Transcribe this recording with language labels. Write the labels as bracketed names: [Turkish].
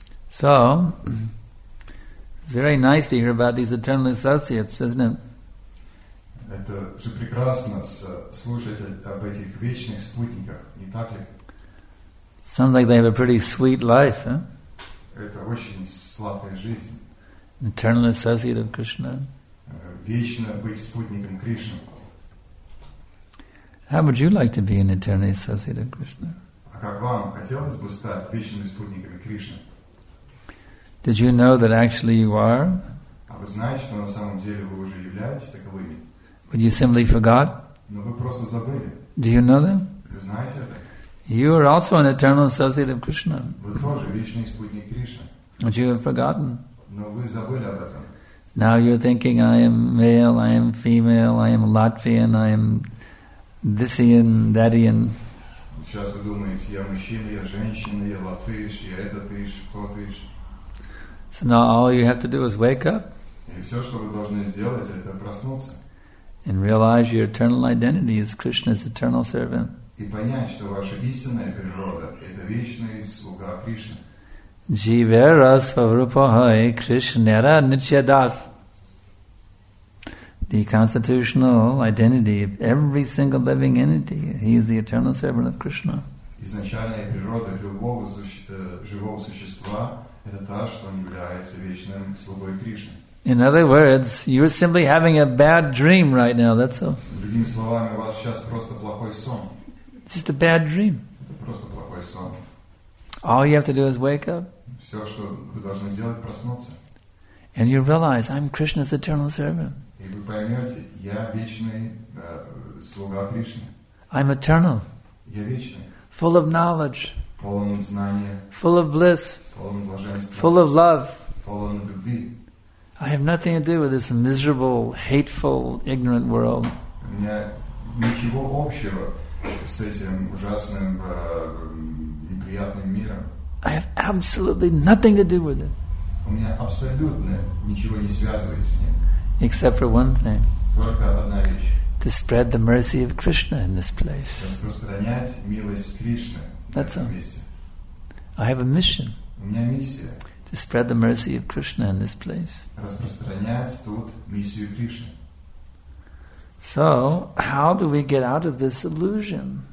[English] So, it's very nice to hear about these eternal associates, isn't it? [Russian] Это же прекрасно слушать об этих вечных спутниках, не так ли? [English] Sounds like they have a pretty sweet life, huh? [Russian] Это очень сладкая жизнь. [English] Eternal associate of Krishna. [Russian] Вечно быть спутником Кришны. [English] How would you like to be an eternal associate of Krishna? [Russian] А как вам хотелось бы стать вечными спутниками Кришны? [English] Did you know that actually you are? [Russian] А вы знаете, что на самом деле вы уже являетесь таковыми? [English] But you simply forgot? [Russian] Но вы просто забыли. [English] Do you know them? [Russian] Вы знаете это? [English] You are also an eternal associate of Krishna. [Russian] Вы тоже вечный спутник Кришны. [English] But you have forgotten. [Russian] Но вы забыли об этом. [English] Now you're thinking, I am male, I am female, I am Latvian, I am thisian, thatian. [Russian] Сейчас вы думаете, я мужчина, я женщина, я латыш, я этот иш, тот иш. [English] So now all you have to do is wake up. [Russian] И все, что вы должны сделать, это проснуться. [English] And realize your eternal identity is Krishna's eternal servant. [Russian] И понять, что ваша истинная природа – это вечный слуга Кришны. [Bangla] Jivera svarupahai Krishnera nityadat. [English] The constitutional identity of every single living entity. He is the eternal servant of Krishna. [Russian] Изначальная природа любого живого существа – это та, что он является вечным слугой Кришны. [English] In other words, you're simply having a bad dream right now, that's all. [Russian] Другими словами, у вас сейчас просто плохой сон. [English] Just a bad dream. [Russian] Просто плохой сон. [English] All you have to do is wake up. [Russian] Все, что вы должны сделать, проснуться. [English] And you realize, I'm Krishna's eternal servant. [Russian] И вы поймете, я вечный слуга Кришны. [English] I'm eternal. [Russian] Я вечный. [English] Full of knowledge. [Russian] Полон знания. [English] Full of bliss. [Russian] Полон блаженства. [English] Full of love. [Russian] Полон любви. [English] I have nothing to do with this miserable, hateful, ignorant world. [Russian] У меня ничего общего с этим ужасным, неприятным миром. [English] I have absolutely nothing to do with it. [Russian] У меня абсолютно ничего не связывает с ним. [English] Except for one thing. [Russian] Только одна вещь. [English] To spread the mercy of Krishna in this place. [Russian] Распространять милость Кришны. [English] That's all. I have a mission. [Russian] У меня миссия. [English] To spread the mercy of Krishna in this place. [Russian] Распространять тут миссию Кришны. [English] So, how do we get out of this illusion?